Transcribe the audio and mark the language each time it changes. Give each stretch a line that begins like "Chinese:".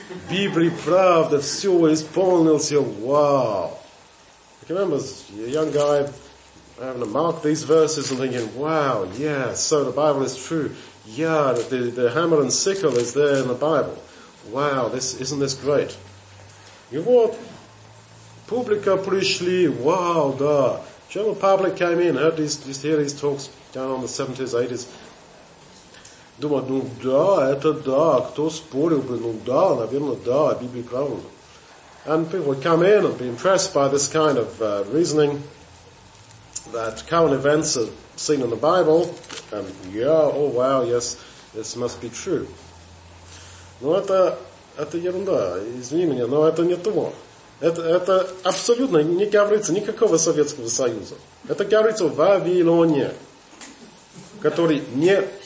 Russian: Библия, правда, все исполнилось. Вау.
English: I can remember a young guy having to mark these verses and thinking, wow, yeah, so the Bible is true. Yeah, the hammer and sickle is there in the Bible. Wow, isn't this great?
Russian: И вот, публика пришли, wow, да.
English: General public came in, heard these talks down on the 70s, 80s.
Russian: Думаю, ну да, это да, кто спорил бы, ну да, наверное, да, Библия правда.
English: And people would come in and be impressed by this kind of reasoning that current events are seen in the Bible, and yeah, oh wow, yes, this must be true.
Russian: Ну, это ерунда, извини меня, но это не то. Это абсолютно не говорится никакого Советского Союза. Это говорится о Вавилоне, который не...